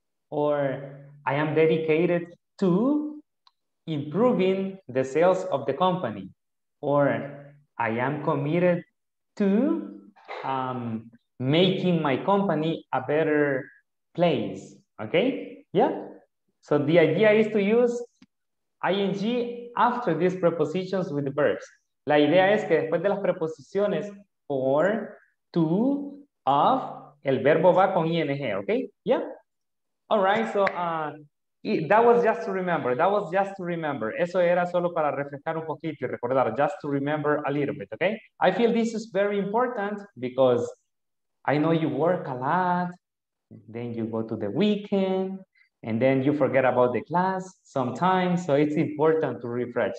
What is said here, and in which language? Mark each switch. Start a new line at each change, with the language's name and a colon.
English: Or I am dedicated to improving the sales of the company, or I am committed to making my company a better place, okay? Yeah, so the idea is to use ing after these prepositions with the verbs.
Spanish: La idea es que después de las preposiciones for, to, of, el verbo va con ing, okay?
English: Yeah, all right, so, That was just to remember.
Spanish: Eso era solo para refrescar un poquito y recordar,
English: just to remember a little bit, okay? I feel this is very important because I know you work a lot, then you go to the weekend, and then you forget about the class sometimes, so it's important to refresh.